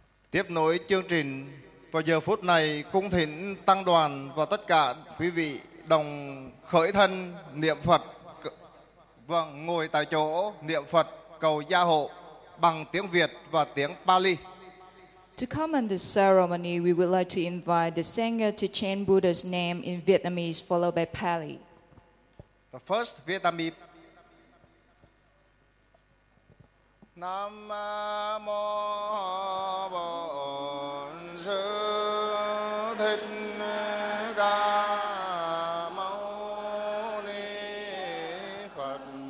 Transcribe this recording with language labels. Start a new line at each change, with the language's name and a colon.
Vietnamese: Tiếp nối chương trình vào giờ phút này, cung thỉnh tăng đoàn và tất cả quý vị đồng khởi thân niệm Phật và ngồi tại chỗ niệm Phật cầu gia hộ bằng tiếng Việt và tiếng Pali.
English: To come on the ceremony, we would like to invite the Sangha to chant Buddha's name in Vietnamese, followed by Pali. The first Vietnamese.
Vietnamese: Nam Mô Bổn Sư Thích Ca Mâu Ni Phật.